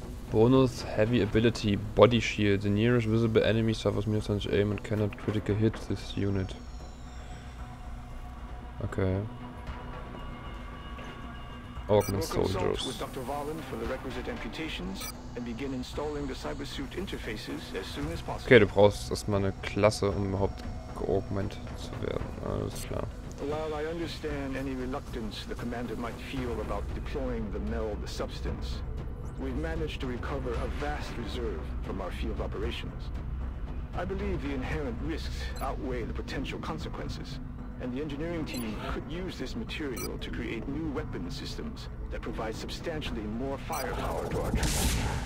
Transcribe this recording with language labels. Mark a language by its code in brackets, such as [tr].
[en] Bonus Heavy Ability Body Shield. The nearest visible enemy suffers minus 20 aim and cannot critical hit this unit. Okay. Augment Soldiers. With Dr. Valen for the requisite amputations and begin installing the cybersuit interfaces as soon as possible. [de] Okay, du brauchst erstmal eine Klasse, um überhaupt geaugmented zu werden. Alles klar. [en] While I understand any reluctance the commander might feel about deploying the meld substance, we've managed to recover a vast reserve from our field operations. I believe the inherent risks outweigh the potential consequences, and the engineering team could use this material to create new weapon systems that provide substantially more firepower to our troops.